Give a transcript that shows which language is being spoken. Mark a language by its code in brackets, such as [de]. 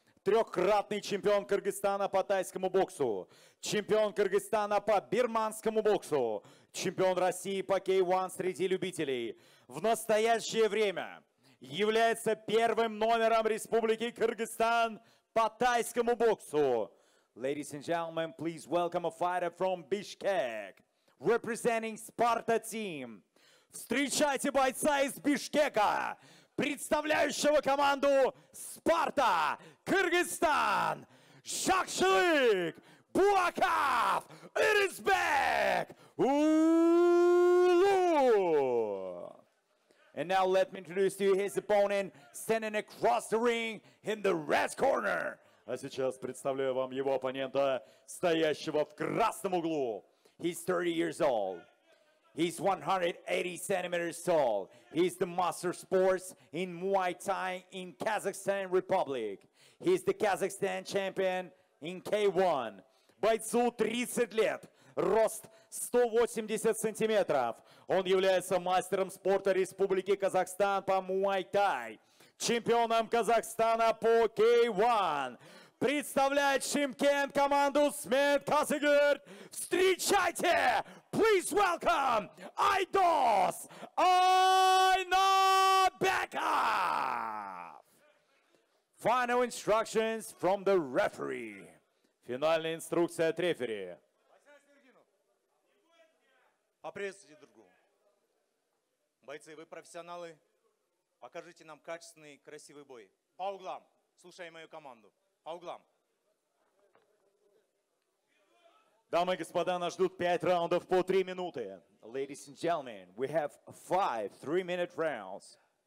[ru] Трехкратный чемпион Кыргызстана по тайскому боксу. Чемпион Кыргызстана по бирманскому боксу. Чемпион России по K1 среди любителей. В настоящее время является первым номером Республики Кыргызстан по тайскому боксу. [en] Ladies and gentlemen, please welcome a fighter from Bishkek, representing Sparta team. [ru] Встречайте бойца из Бишкека, представляющего команду Спарта, Кыргызстан, Жакшылык, Буаков, Ирисбек, Улу. [en] And now let me introduce to you his opponent, standing across the ring in the red corner. [ru] А сейчас представляю вам его оппонента, стоящего в красном углу. [en] He's 30 years old. He's 180 centimeters tall. He's the master of sports in Muay Thai in Kazakhstan Republic. He's the Kazakhstan champion in K1. [ru] Бойцу 30 лет. Рост 180 сантиметров. Он является мастером спорта Республики Казахстан по Muay Thai. Чемпионом Казахстана по K1. Представляет Шымкент команду Смит Казыгерт. Встречайте! [en] Please welcome Айдос Айнабеков! Final instructions from the referee. [ru] Финальная инструкция от рефери. Поприветствуйте другого. Бойцы, вы профессионалы. Покажите нам качественный, красивый бой. По углам. Слушай мою команду. По углам. Дамы и господа, нас ждут 5 раундов по 3 минуты. [en] Ladies and gentlemen, we have 5 3-minute rounds.